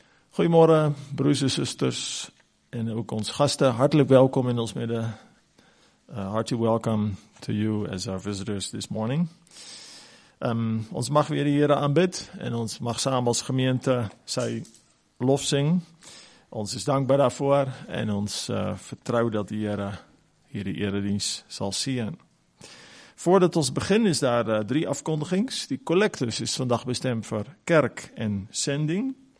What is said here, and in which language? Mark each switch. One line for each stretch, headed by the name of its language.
Afrikaans: Goeiemôre broers en susters en ook ons gaste, hartelijk welkom in ons midde.
English: Hearty welcome to you as our visitors this morning.
Afrikaans: Ons mag weer die Here aanbid en ons mag saam als gemeente sy lof sing. Ons is dankbaar daarvoor en ons vertrou dat die Here hierdie eredienst sal seën. Voordat ons begin is daar drie afkondigings. Die collectus is vandag bestemd vir kerk en sending.